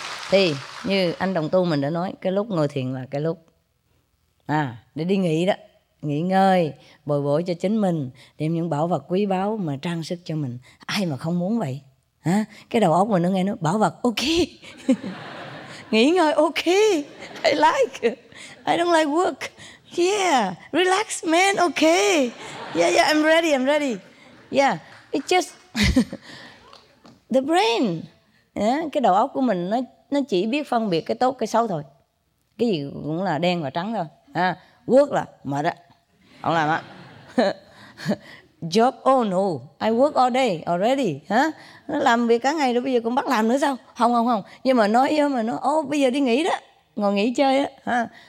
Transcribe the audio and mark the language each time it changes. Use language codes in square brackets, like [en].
[vi] Thì như anh đồng tu mình đã nói, cái lúc ngồi thiền là cái lúc để đi nghỉ đó, nghỉ ngơi, bồi bổ cho chính mình, đem những bảo vật quý báu mà trang sức cho mình. Ai mà không muốn vậy? Hả? Cái đầu óc mình nó nghe nó bảo vật, ok. Nghỉ ngơi, [en] ok, I like, I don't like work, yeah, relax man, ok, yeah, yeah, I'm ready, yeah, it's just the brain, yeah. [vi] Cái đầu óc của mình nó chỉ biết phân biệt cái tốt, cái xấu thôi, cái gì cũng là đen và trắng thôi, work là mệt á, không làm á, job, [en] oh no, I work all day already, [vi] hả? Nó làm việc cả ngày rồi bây giờ cũng bắt làm nữa sao? Không. Nhưng mà nói với mình, bây giờ đi nghỉ đó, ngồi nghỉ chơi á, hả?